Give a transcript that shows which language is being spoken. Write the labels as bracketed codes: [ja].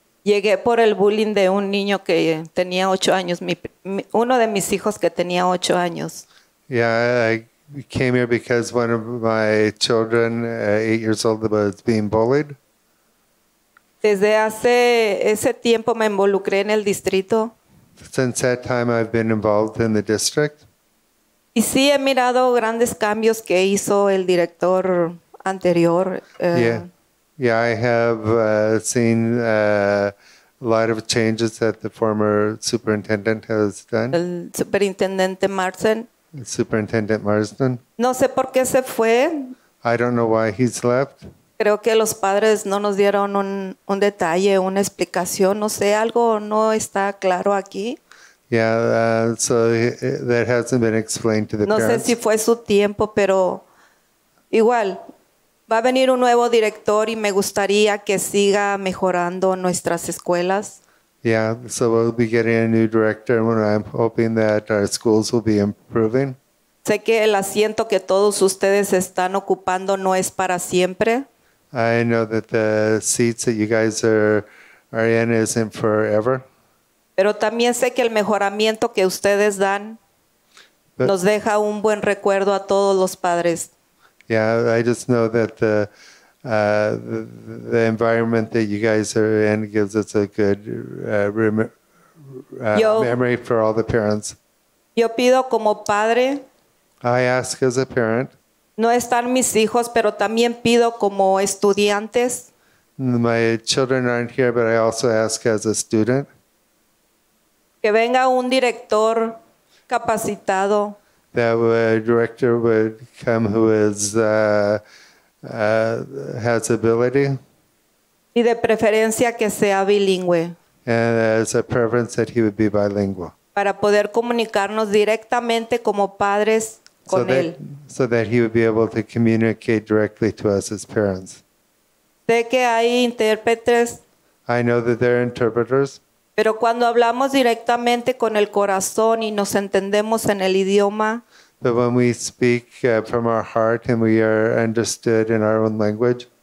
[es] llegué por el bullying de un niño que tenía 8 años, uno de mis hijos que tenía 8 años. [en] Yeah, I came here because one of my children, 8 years old, was being bullied. [es] Desde hace ese tiempo me involucré en el distrito. [en] Since that time I've been involved in the district. [es] Y sí he mirado grandes cambios que hizo el director anterior. [en] Yeah, I have seen a lot of changes that the former superintendent has done. [es] El superintendente Marsden. [en] Superintendent Marsden. [es] No sé por qué se fue. [en] I don't know why he's left. [es] Creo que los padres no nos dieron un detalle, una explicación. No sé, algo no está claro aquí. [en] Yeah, so that hasn't been explained to the no parents. [es] No sé si fue su tiempo, pero igual, Va a venir un nuevo director y me gustaría que siga mejorando nuestras escuelas. [en] Yeah, so we'll be getting a new director and I'm hoping that our schools will be improving. [es] Sé que el asiento que todos ustedes están ocupando no es para siempre. [en] I know that the seats that you guys are in isn't forever. [es] Pero también sé que el mejoramiento que ustedes dan nos deja un buen recuerdo a todos los padres. [en] Yeah, I just know that the environment that you guys are in gives us a good memory for all the parents. [es] Yo pido como padre. [en] I ask as a parent. [es] No están mis hijos, pero también pido como estudiantes. [en] My children aren't here, but I also ask as a student. [es] Que venga un director capacitado. [en] That a director would come who is has ability. [es] Y de preferencia que sea bilingüe. [en] And as a preference that he would be bilingual. [es] Para poder comunicarnos directamente como padres con él. [en] So that he would be able to communicate directly to us as parents. [es] Sé que hay intérpretes. [en] I know that there are interpreters. [es] Pero cuando hablamos directamente con el corazón y nos entendemos en el idioma. [en] But when we speak from our heart and we are understood in our own language.